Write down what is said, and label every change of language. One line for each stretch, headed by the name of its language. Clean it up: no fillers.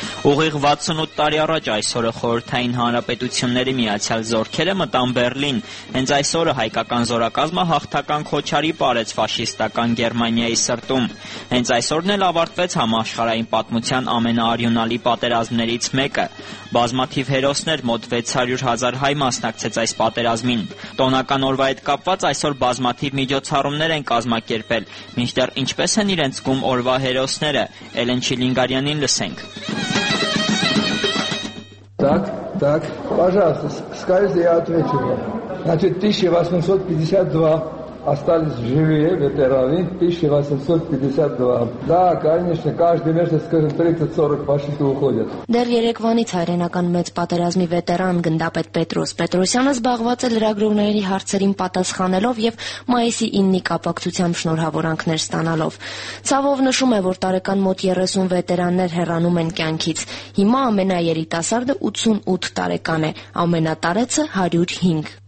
Armenian: Ուղիղ 68 տարի առաջ այսօրը խորհրդային հանրապետությունների միացյալ զորքերը մտան Բեռլին, հենց այսօրը հայկական զորակազմը հաղթական քոչարի պարեց ֆաշիստական Գերմանիայի սրտում, հենց այսօրն էլ ավարտվեց համաշխարհային պատմության ամենաարյունալի պատերազմներից մեկը։ Բազմաթիվ հերոսներ, մոտ 600,000 հայ մասնակցեց այս պատերազմին։ Տոնական օրվա հետ կապված այսօր բազմաթիվ միջոցառումներ են կազմակերպել, մինչդեռ ինչպես են իրենց զգում օրվա հերոսները, Էլեն Չիլինգարյանին լսենք։
Russian: Так, пожалуйста, скажите, я отвечу вам. Значит, 1852 остались живые ветераны, 1852. Да, конечно, каждый месяц, скажем, 30-40 фашистов уходят.
Armenian: Դեր Երևանից հայրենական մեծ պատերազմի վետերան գնդապետ Պետրոս Պետրոսյանը զբաղված է լրագրողների հարցերին պատասխանելով և մայիսի 9-ի կապակցությամբ շնորհավորանքներ ստանալով։ Ցավով նշում է, որ տարեկան մոտ 30 վետերաններ հեռանում են կյանքից։ Հիմա ամենաերիտասարդը 88 տարեկան է, ամենատարեցը 105։